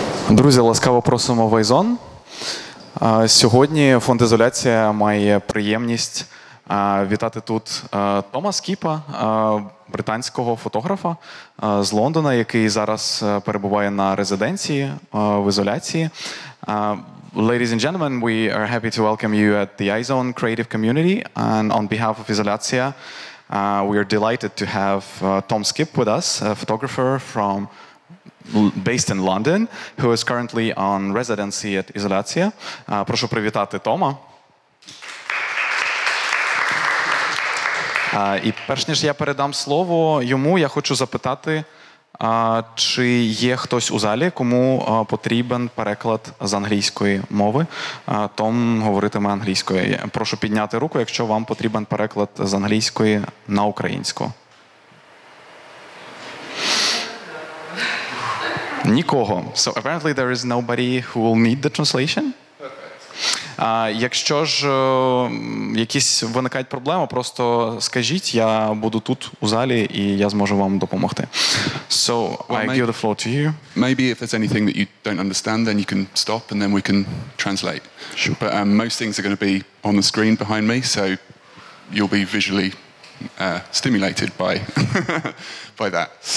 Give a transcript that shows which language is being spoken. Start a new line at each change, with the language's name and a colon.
Ukrainian: Друзі, ласкаво просимо Вайзон. Сьогодні фонд «Ізоляція» має приємність вітати тут Тома Скіпа, британського фотографа з Лондона, який зараз перебуває на резиденції в ізоляції.
English: Ladies and gentlemen, we are happy to welcome you at the iZone Creative Community, and on behalf of Isolatia, we are delighted to have Tom Skipp with us, a photographer from based in London, who is currently on residency at Isolatia.
Ukrainian: Прошу привітати Тома. І перш ніж я передам слово йому, я хочу запитати, чи є хтось у залі, кому потрібен переклад з англійської мови? Том говоритиме англійською. Прошу підняти руку, якщо вам потрібен переклад з англійської на українську. Нікого.
English: So apparently there is nobody who will need the translation.
Ukrainian: Якщо ж якісь виникають проблеми, просто скажіть, я буду тут у залі і я зможу вам допомогти.
English: So, well, I give the floor to you. Maybe if there's anything that you don't understand, then you can stop and then we can translate. Sure. But most things are going to be on the screen behind me, so you'll be visually stimulated by by that.